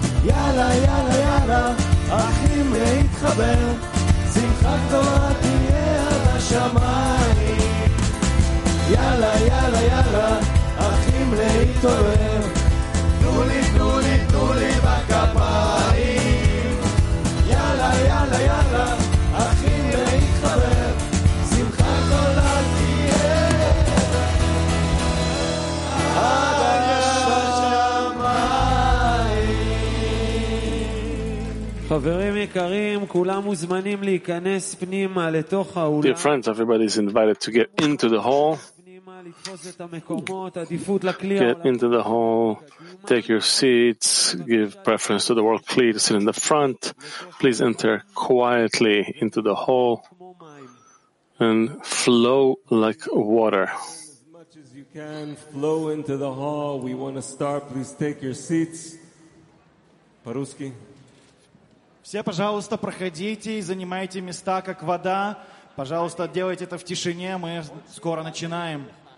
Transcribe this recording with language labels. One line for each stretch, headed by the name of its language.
Hebrew: Yala, yala, yala, achim leitchaber, שמחת תורה תהיה על השמיים. יאללה, יאללה, יאללה, אחים להתעורר, תנו לי, תנו לי, תנו לי בכפיים. יאללה, יאללה, יאללה, אחים להתחבר, שמחת תורה תהיה על השמיים. חברים יקרים, כולם מוזמנים להיכנס פנימה לתוך האולם.
English: Dear friends, everybody is invited to get into the hall. Get into the hall, take your seats, give preference to the world clear to sit in the front. Please enter quietly into the hall and flow like water. As much as you can flow into the hall, we want to start. Please take your seats.
Russian: Paruski. Все, пожалуйста, проходите и занимайте места, как вода. Пожалуйста, делайте это в тишине, мы скоро начинаем.